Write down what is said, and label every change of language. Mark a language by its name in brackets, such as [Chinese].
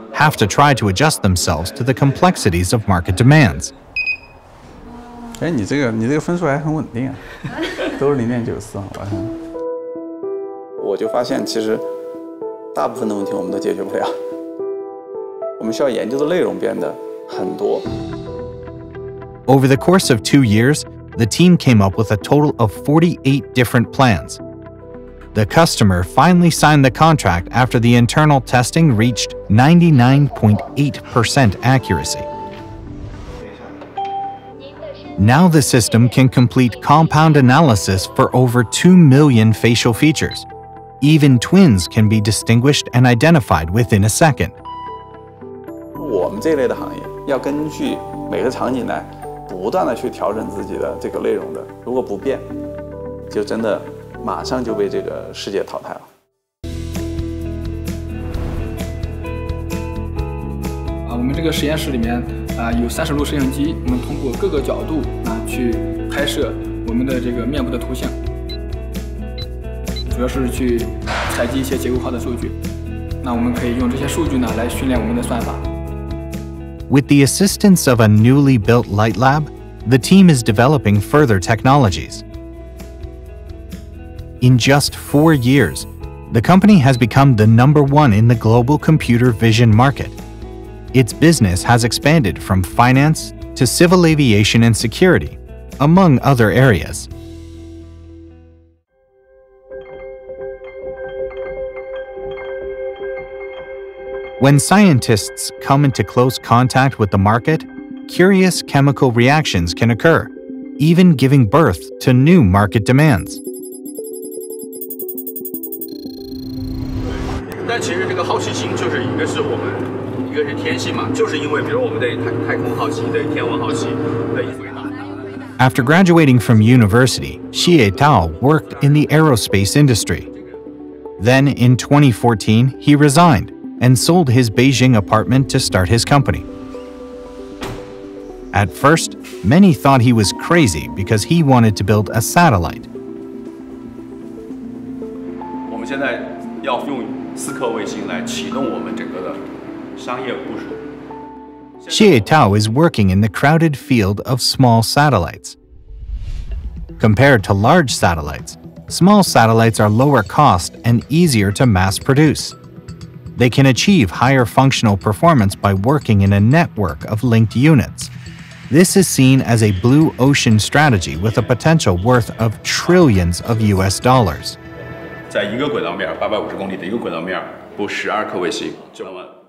[English] Have to try to adjust themselves to the complexities of market demands. [Chinese] 哎，你这个分数还很稳定啊，都是0.94好吧？我就发现，其实大部分的问题我们都解决不了。我们需要研究的内容变得很多。 [English] Over the course of 2 years, the team came up with a total of 48 different plans. The customer finally signed the contract after the internal testing reached 99.8% accuracy. Now the system can complete compound analysis for over 2 million facial features. Even twins can be distinguished and identified within a second. We, this kind of industry, have to adjust every scenario constantly to adjust our content. If it doesn't change, it's really. [Chinese] 马上就被这个世界淘汰了。我们这个实验室里面有30路摄像机，我们通过各个角度去拍摄我们的这个面部的图像，主要是去采集一些结构化的数据。那我们可以用这些数据来训练我们的算法。 [English] With the assistance of a newly built light lab, the team is developing further technologies. In just 4 years, the company has become the number one in the global computer vision market. Its business has expanded from finance to civil aviation and security, among other areas. When scientists come into close contact with the market, curious chemical reactions can occur, even giving birth to new market demands. [Chinese] 但其实这个好奇心就是一个是我们一个是天性嘛，就是因为比如我们对太空好奇，对天文好奇，对所以呢。 [English] After graduating from university, Xie Tao worked in the aerospace industry. Then in 2014, he resigned and sold his Beijing apartment to start his company. At first, many thought he was crazy because he wanted to build a satellite. [Chinese] 我们现在要用四颗卫星来启动我们整个的商业部署。 [English] Xie Tao is working in the crowded field of small satellites. Compared to large satellites, small satellites are lower cost and easier to mass produce. They can achieve higher functional performance by working in a network of linked units. This is seen as a blue ocean strategy with a potential worth of trillions of US dollars. [Chinese] 在一个轨道面850公里的一个轨道面布12颗卫星，就那么。